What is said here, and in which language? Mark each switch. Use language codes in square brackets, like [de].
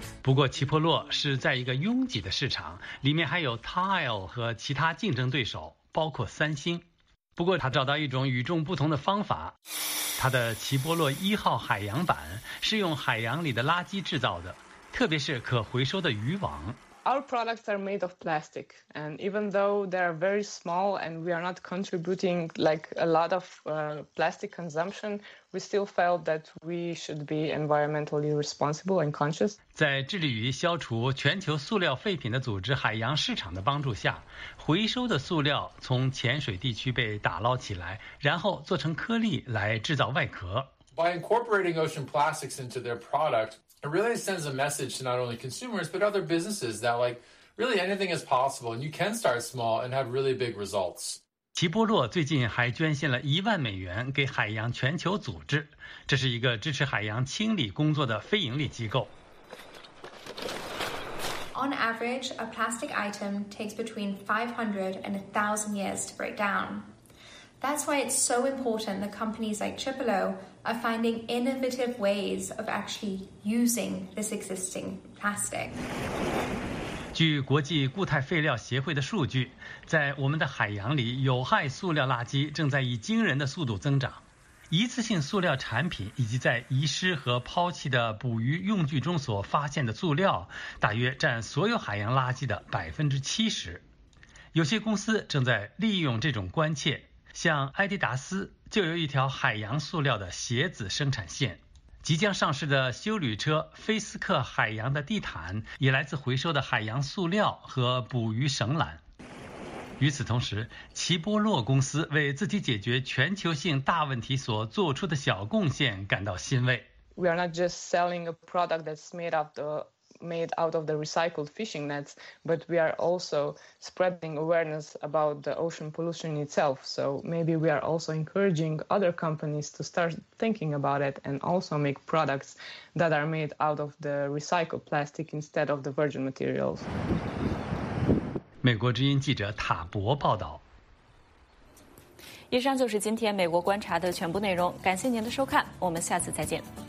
[zh] 不过齐波洛是在一个拥挤的市场，里面还有 Tile 和其他竞争对手，包括三星。不过他找到一种与众不同的方法，他的齐波洛一号海洋板是用海洋里的垃圾制造的，特别是可回收的渔网。 [en] Our products are made of plastic, and even though they are very small and we are not contributing like a lot of plastic consumption, we still felt that we should be environmentally responsible and conscious. [zh] 在致力于消除全球塑料废品的组织海洋市场的帮助下，回收的塑料从浅水地区被打捞起来，然后做成颗粒来制造外壳。 [en] By incorporating ocean plastics into their product,It really sends a message to not only consumers, but other businesses that like, really anything is possible and you can start small and have really big results. [zh] 齐波洛最近还捐献了$10,000给海洋全球组织，这是一个支持海洋清理工作的非盈利机构。 [en] On average, a plastic item takes between 500 and 1,000 years to break down. That's why it's so important that companies like Chipolo,are finding innovative ways of actually using this existing plastic. [zh] 据国际固态废料协会的数据，在我们的海洋里，有害塑料垃圾正在以惊人的速度增长。一次性塑料产品以及在遗失和抛弃的捕鱼用具中所发现的塑料，大约占所有海洋垃圾的70%。有些公司正在利用这种关切，像埃迪达斯。就有一条海洋塑料的鞋子生产线，即将上市的休旅车菲斯克海洋的地毯也来自回收的海洋塑料和捕鱼绳缆。与此同时，齐波洛公司为自己解决全球性大问题所做出的小贡献感到欣慰。 [en] We are not just selling a product that's made out of the recycled fishing nets, but we are also spreading awareness about the ocean pollution itself. So maybe we are also encouraging other companies to start thinking about it and also make products that are made out of the recycled plastic instead of the virgin materials. [zh] 美国之音记者塔博报道。以上就是今天美国观察的全部内容，感谢您的收看，我们下次再见。